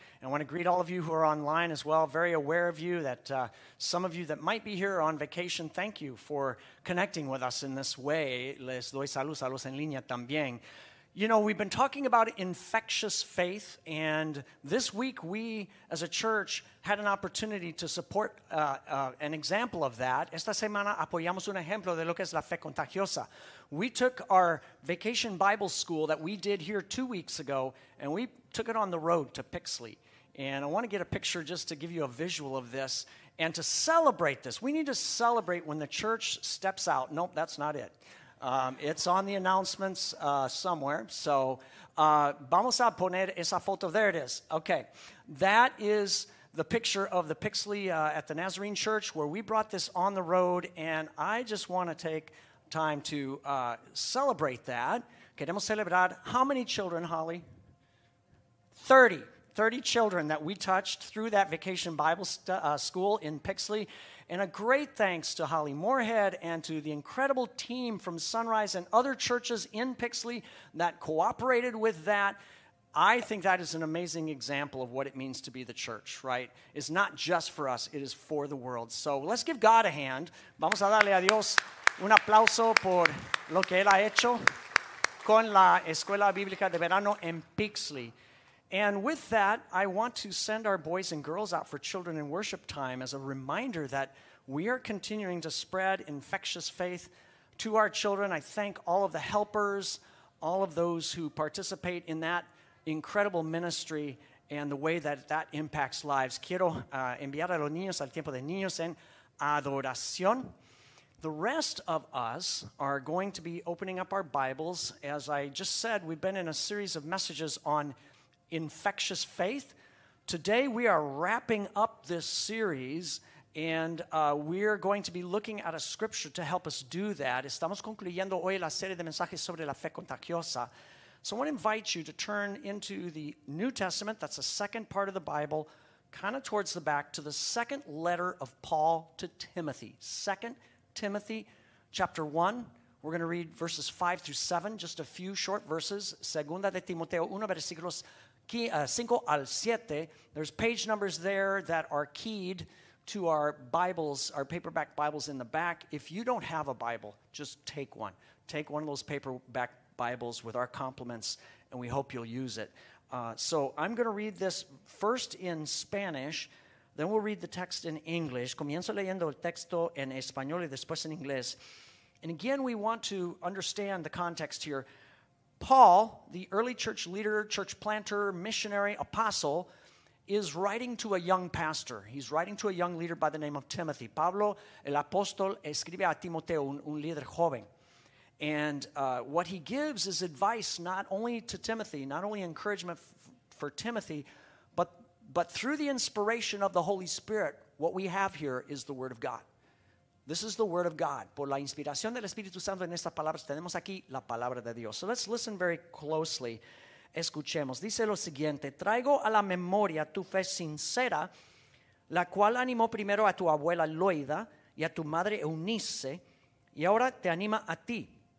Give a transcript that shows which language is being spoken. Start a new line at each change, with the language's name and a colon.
English: And I want to greet all of you who are online as well. Very aware of you that some of you that might be here on vacation, thank you for connecting with us in this way.
Spanish: Les doy saludos a los en línea también.
English: You know, we've been talking about infectious faith, and this week we, as a church, had an opportunity to support an example of that.
Spanish: Esta semana apoyamos un ejemplo de lo que es la fe contagiosa.
English: We took our vacation Bible school that we did here 2 weeks ago, and we took it on the road to Pixley. And I want to get a picture just to give you a visual of this. And to celebrate this, we need to celebrate when the church steps out. Nope, that's not it. It's on the announcements somewhere.
Spanish: So vamos a poner esa foto.
English: There it is. Okay. That is the picture of the Pixley at the Nazarene Church where we brought this on the road. And I just want to take time to celebrate that.
Spanish: Queremos celebrar.
English: How many children, Holly? 30. 30 children that we touched through that vacation Bible school in Pixley. And a great thanks to Holly Moorhead and to the incredible team from Sunrise and other churches in Pixley that cooperated with that. I think that is an amazing example of what it means to be the church, right? It's not just for us. It is for the world. So let's give God a hand.
Spanish: Vamos a darle a Dios un aplauso por lo que él ha hecho con la Escuela Bíblica de Verano en Pixley.
English: And with that, I want to send our boys and girls out for children in worship time as a reminder that we are continuing to spread infectious faith to our children. I thank all of the helpers, all of those who participate in that incredible ministry and the way that that impacts lives.
Spanish: Quiero enviar a los niños al tiempo de niños en adoración.
English: The rest of us are going to be opening up our Bibles. As I just said, we've been in a series of messages on infectious faith. Today we are wrapping up this series, and we're going to be looking at a scripture to help us do that.
Spanish: Estamos concluyendo hoy la serie de mensajes sobre la fe contagiosa.
English: So I want to invite you to turn into the New Testament, that's the second part of the Bible, kind of towards the back, to the second letter of Paul to Timothy. 2 Timothy chapter 1. We're going to read verses 5 through 7, just a few short verses.
Spanish: Segunda de Timoteo 1, versículos 5 al 7.
English: There's page numbers there that are keyed to our Bibles, our paperback Bibles in the back. If you don't have a Bible, just take one. Take one of those paperback Bibles with our compliments, and we hope you'll use it. So I'm going to read this first in Spanish. Then we'll read the text in English.
Spanish: Comienzo leyendo el texto en español y después en inglés.
English: And again, we want to understand the context here. Paul, the early church leader, church planter, missionary, apostle, is writing to a young pastor. He's writing to a young leader by the name of Timothy.
Spanish: Pablo, el apóstol, escribe a Timoteo, un líder joven.
English: And what he gives is advice not only to Timothy, not only encouragement for Timothy, but through the inspiration of the Holy Spirit, what we have here is the Word of God. This is the Word of God.
Spanish: Por la inspiración del Espíritu Santo en estas palabras, tenemos aquí la palabra de Dios.
English: So let's listen very closely.
Spanish: Escuchemos. Dice lo siguiente. Traigo a la memoria tu fe sincera, la cual animó primero a tu abuela Loida y a tu madre Eunice, y ahora te anima a ti.